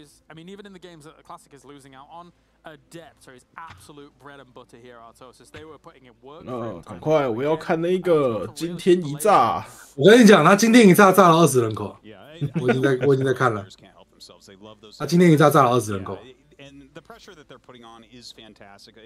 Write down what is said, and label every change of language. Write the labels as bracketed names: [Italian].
[English] I mean, even in the games that Classic is losing out on, Adept are his absolute bread and butter here. Artosis, they were putting in work. [Chinese] 赶快，我要看那个惊天一炸。我跟你讲，他惊天一炸炸了二十人口。我已经在看了。他惊天一炸炸了二十人口。 [English] And the pressure that they're putting on is fantastic.